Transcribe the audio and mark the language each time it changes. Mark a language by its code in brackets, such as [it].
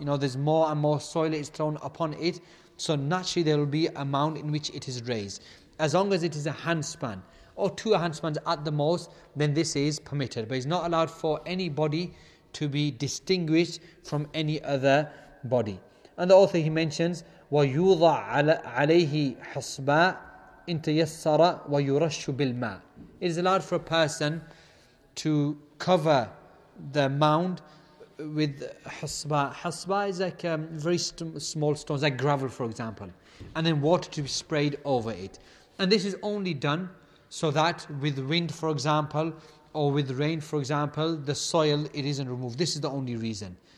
[en] You know, there's more and more soil is thrown upon it. So naturally there will be a mound in which it is raised. As long as it is a handspan or two handspans at the most, then this is permitted. But it's not allowed for any body to be distinguished from any other body. And the author, he mentions, [ar] وَيُوضَعْ عَلَيْهِ حَصْبَىٰ إِنْ تَيَسَّرَ وَيُرَشُّ بِالْمَىٰ. [en] It is allowed for a person to cover the mound with حَصْبَىٰ. حَصْبَىٰ is like very small stones, like gravel, for example. And then water to be sprayed over it. And this is only done so that with wind, for example, or with rain, for example, the soil, it isn't removed. This is the only reason.